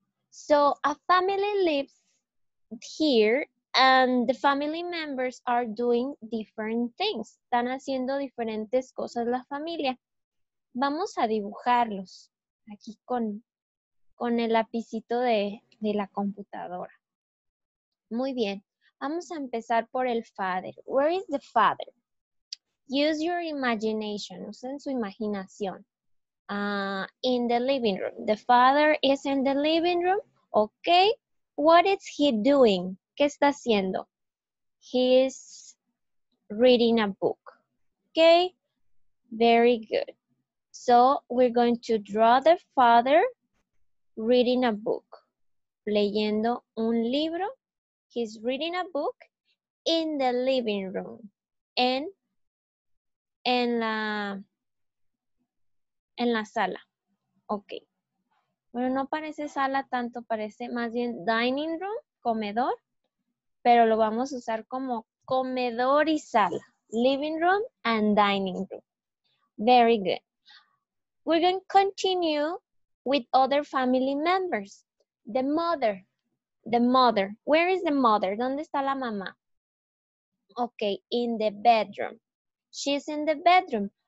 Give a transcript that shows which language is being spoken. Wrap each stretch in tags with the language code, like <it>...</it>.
<en>So a family lives here and the family members are doing different things.</en> <es>Están haciendo diferentes cosas la familia. Vamos a dibujarlos aquí con el lapicito de la computadora. Muy bien. Vamos a empezar por el father.</es> <en>Where is the father? Use your imagination.</en> <es>Usen su imaginación.</es> <en>In the living room. The father is in the living room. Okay. What is he doing?</en> <es>¿Qué está haciendo?</es> <en>He is reading a book. Okay. Very good. So we're going to draw the father reading a book.</en> <es>Leyendo un libro.</es> <en>He's reading a book in the living room.</en> <es>And en la... En la sala. Ok. Bueno, no parece sala tanto, parece más bien dining room, comedor. Pero lo vamos a usar como comedor y sala.</es> <en>Living room and dining room. Very good. We're going to continue with other family members. The mother. The mother. Where is the mother?</en> <es>¿Dónde está la mamá?</es> <en>Ok, in the bedroom. She's in the bedroom.</en>